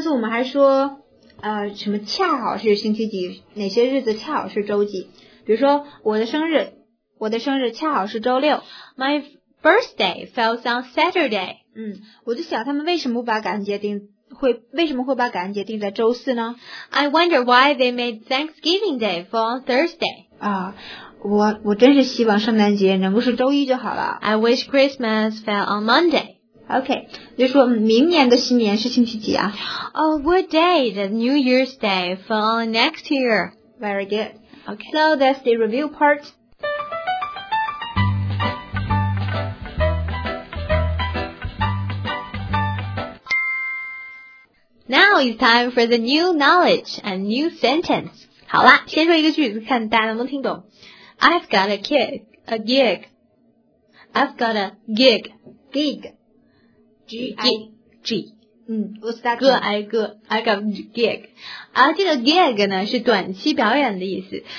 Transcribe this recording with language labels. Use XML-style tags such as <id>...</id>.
<zh>次我们还说什么恰好是星期几，哪些日子恰好是周几。比如说我的生日恰好是周六。</zh> <en>My birthday falls on Saturday.</en> <zh>我就想他们为什么会把感恩节定在周四呢？</zh> <en>I wonder why they made Thanksgiving Day fall on Thursday.</en> <zh>我真是希望圣诞节能够是周一就好了。</zh> <en>I wish Christmas fell on Monday.</en> <zh>Okay, 就说明年的新年是星期几啊？</zh> <en>What day does New Year's Day fall on next year? Very good. Okay. So that's the review part. Now it's time for the new knowledge and new sentence.</en> <zh>好啦，先说一个句子，看大家能不能听懂。</zh> <en>I've got a gig. I've got a gig. Gig. G-I-G. What's that? I got a gig.</en> <zh>这个 gig 呢是短期表演的意思。</zh>